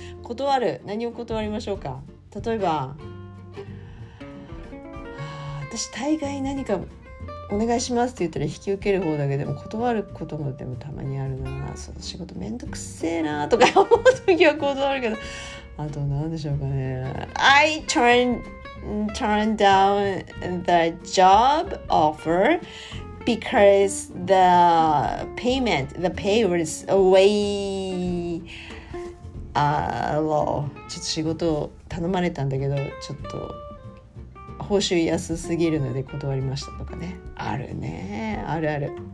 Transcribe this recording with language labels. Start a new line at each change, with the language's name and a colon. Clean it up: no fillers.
Japanese: 断る、何を断りましょうか。例えば、私大概何かお願いしますって言ったら引き受ける方だけど、断ることもでもたまにあるな。その仕事めんどくせえなとか思うときは断るけど、あと何でしょうかね。
English: I turn down the job offer because the payment, the pay was way low。
Japanese: ちょっと仕事を頼まれたんだけどちょっと報酬安すぎるので断りましたとかね。あるね、あるある。